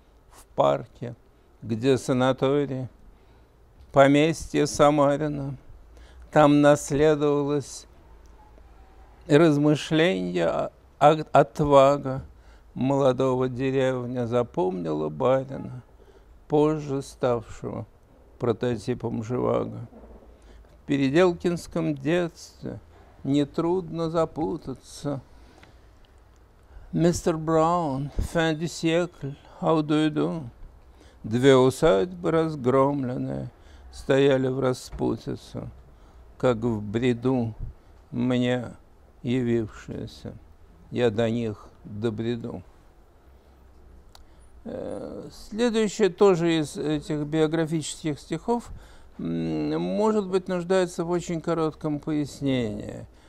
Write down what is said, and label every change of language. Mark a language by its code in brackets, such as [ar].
[ru] В парке, где санаторий, поместье Самарина, там наследовалось размышление, отвага молодого деревня запомнила барина, позже ставшего прототипом Живаго. В переделкинском детстве нетрудно запутаться. [en] Мистер Браун, [fr] fin du siècle, [en] how do you do? [ru] Две усадьбы разгромленные стояли в распутице, как в бреду мне явившиеся. Я до них добреду. Следующее тоже из этих биографических стихов, может быть, нуждается в очень коротком пояснении.